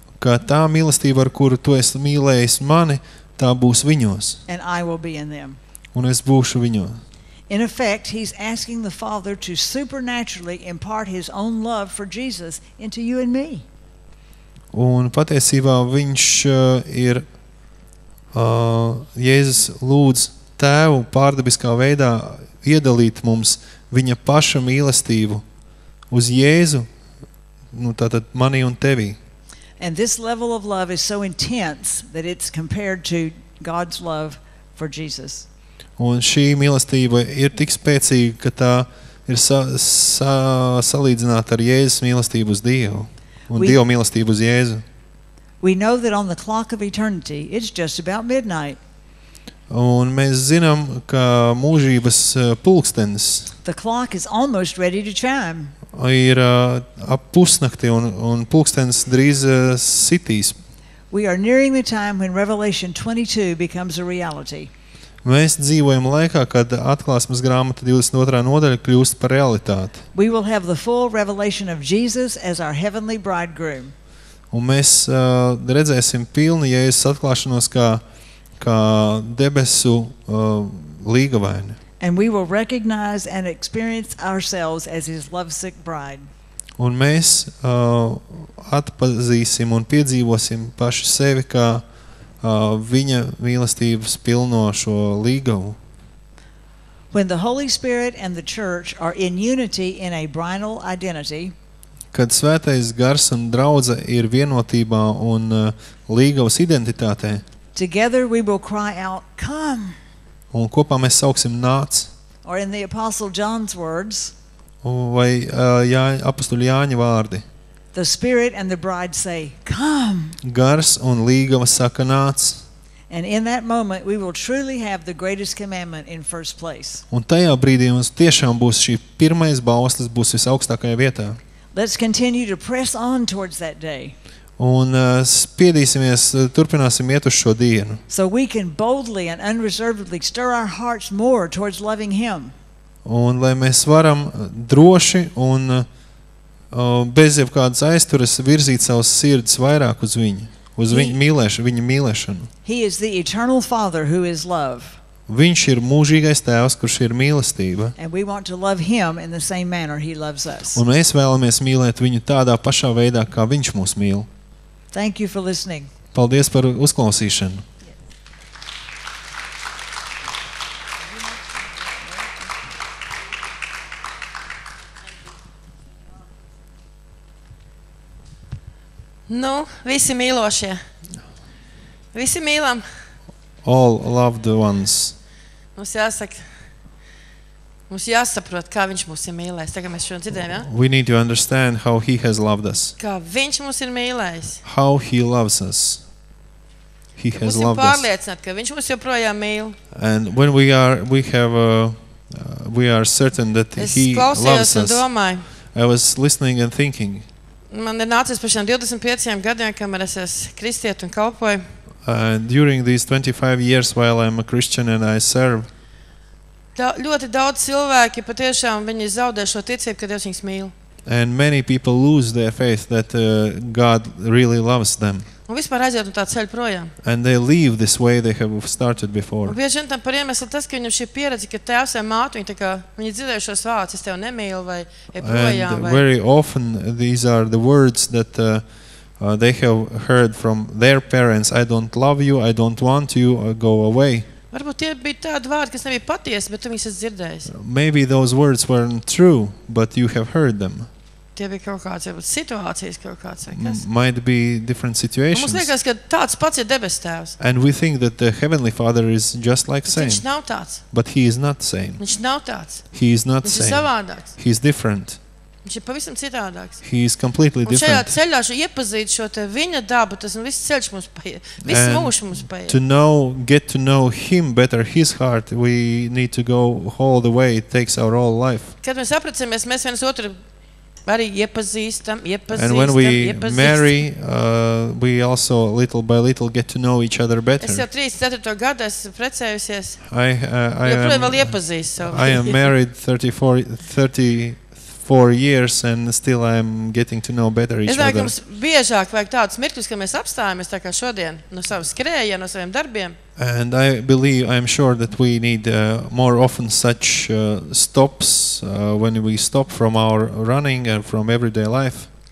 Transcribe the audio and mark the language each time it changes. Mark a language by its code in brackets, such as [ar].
[lv] Ka tā mīlestība, ar kuru tu esi mīlējis mani, tā būs viņos. [en] And I will be in them. [lv] Un es būšu viņo. [en] In effect, he's asking the Father to supernaturally impart his own love for Jesus into you and me. [lv] Un patiesībā viņš ir Jēzus lūdz Tēvu pārdabiskā veidā iedalīt mums viņa paša mīlestību uz Jēzu, nu tātad mani un tevi. [en] And this level of love is so intense that it's compared to God's love for Jesus. [lv] Un šī mīlestība ir tik spēcīga, ka tā ir salīdzināta ar Jēzus mīlestību uz Dievu un Dieva mīlestību uz Jēzu. [en] We know that on the clock of eternity, it's just about midnight. [lv] Un mēs zinām, ka mūžības pulkstenis [en] the clock is almost ready to chime. [lv] Ir ap pusnakti un pulkstenis drīz sitīs. [en] We are nearing the time when Revelation 22 becomes a reality. [lv] Mēs dzīvojam laikā, kad Atklāsmes grāmata 22. Nodaļa kļūst par realitāti. [en] We will have the full revelation of Jesus as our heavenly bridegroom. [lv] Un mēs redzēsim pilnu Jēzus atklāšanos kā debesu līgavaini. [en] And we will recognize and experience ourselves as his lovesick bride. [lv] Un mēs atpazīsim un piedzīvosim paši sevi kā viņa mīlestības pilno šo līgavu. [en] When the Holy Spirit and the church are in unity in a bridal identity, [lv] kad Svētais Gars un draudze ir vienotībā un līgavas identitātē, [en] together we will cry out, come! [lv] Un kopā mēs sauksim nāc. [en] Or in the Apostle John's words, [lv] vai Apostoļa Jāņa vārdi, [en] the spirit and the bride say, come. [lv] Gars un līgava saka nāc. [en] And in that moment we will truly have the greatest commandment in first place. [lv] Un tajā brīdī mums tiešām būs šī pirmais bauslis būs visaugstākajā vietā. [en] Let's continue to press on towards that day. [lv] Un spiedīsimies, turpināsim iet uz šo dienu. [en] So we can boldly and unreservedly stir our hearts more towards loving him. [lv] un lai mēs varam droši un bez jebkādas aizturas virzīt savas sirdis vairāk uz viņu, uz viņa mīlēšanu. [en] He is the eternal Father who is love. [lv] Viņš ir mūžīgais Tēvs, kurš ir mīlestība. [en] And we want to love him in the same manner he loves us. [lv] Un mēs vēlamies mīlēt viņu tādā pašā veidā, kā viņš mūs mīl. [en] Thank you for listening. [lv] Paldies par uzklausīšanu. Nu, visi mīlošie. Visi mīlam. [en] All loved ones. [lv] Mums jāsaka, mums jāsaprot, kā viņš mūs ir mīlējis. Tagad mēs šodien dzirdējam, ja? [en] We need to understand how he has loved us. [lv] Kā viņš mūs ir mīlējis. [en] How he loves us. He has loved us. [lv] Mums ir pārliecināt, ka viņš mūs joprojām mīl. [en] And when we are certain that he loves us. [lv] Es klausījos un domāju. [en] I was listening and thinking. [lv] Man ir nācies par šiem 25 gadiem, kamēr es esmu kristiet un kalpoju. [en] During these 25 years while I'm a Christian and I serve. [lv] Ļoti daudz cilvēki patiešām viņi zaudē šo ticību, ka Dievs viņus mīl. [en] And many people lose their faith that God really loves them. [lv] Un vispār aiziet un tā ceļ projām. [en] And they leave this way they have started before. [lv] Un bieži vien tam par iemeslu tas, ka viņam šī pieredze, ka tēvs vai māte, viņi tā kā, viņi dzirdēja šos vārdus, es tevi nemīlu vai ir projām. [en] And very often these are the words that they have heard from their parents, I don't love you, I don't want you, go away. [lv] Varbūt tie bija tādi vārdi, kas nebija patiesi, bet tu viņus esi dzirdējis. [en] Maybe those words weren't true, but you have heard them. [lv] Tie bija kaut kāds, varbūt situācijas kaut kāds, vai kas? [en] Might be different situations. [lv] Mums liekas, ka tāds pats ir debes tēvs. [en] And we think that the Heavenly Father is just like same. [lv] Viņš nav tāds. [en] But he is not same. [lv] Viņš nav tāds. [en] He is not same. [lv] Viņš ir savādāks. [en] He is different. [lv] Viņš ir pavisam citādāks. [en] He is completely different. [lv] Un šajā ceļā šo iepazīt šo te viņa dabu, tas viss ceļš mums paiet. Viss mūžs mums paiet. [en] To know, get to know him better, his heart, we need to go all the way, it takes our whole life. [lv] Kad mēs apprecamies, mēs viens otru arī iepazīstam, iepazīstam, [en] and when we [lv] iepazīstam. [en] Marry, we also little by little get to know each other better. [lv] Es jau 34 gadu esmu precējusies. [en] I am married 34 years and still I am getting to know better each other. [lv] Es domāju, biežāk vajag tāds mirklis, ka mēs apstājamies tā kā šodien no savas skrējā, no saviem darbiem. [en] And I believe, I am sure that we need more often such stops when we stop from our running and from everyday life.